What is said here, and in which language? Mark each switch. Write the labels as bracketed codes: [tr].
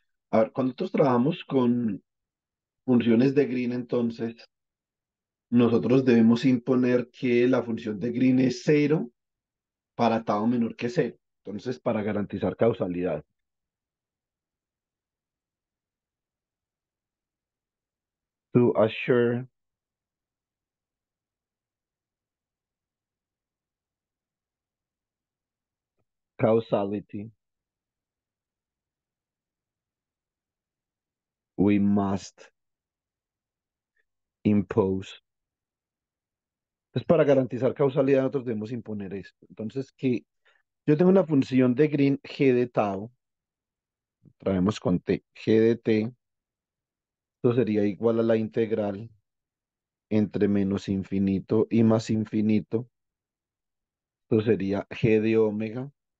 [es] A ver, cuando nosotros trabajamos con funciones de Green, entonces, nosotros debemos imponer que la función de Green es cero para tau menor que cero. Entonces, para garantizar causalidad. [en] To assure causality, we must impose. [es] Es para garantizar causalidad, nosotros debemos imponer esto. Entonces, que yo tengo una función de Green g de tau, traemos con t, g de t, esto sería igual a la integral entre menos infinito y más infinito, esto sería g de omega.